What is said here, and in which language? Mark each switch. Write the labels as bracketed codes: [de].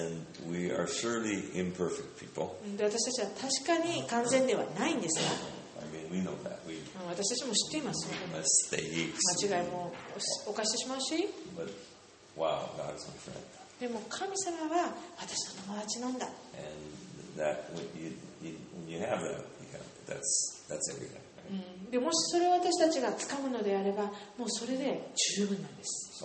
[en] And we are surely imperfect people. [ja] で私たちは確かに完全ではないんですが、 [en] I mean, we know that. We [ja] 私たちも知っています。 [en] Mistakes. [ja] 間違いも犯してしまうし、 [en] But wow, God's my friend. [ja] でも神様は私の友達なんだ。 [en] And that when you have that, you have that's everything. [ja] でもしそれを私たちが掴むのであれば、もうそれで十分なんです。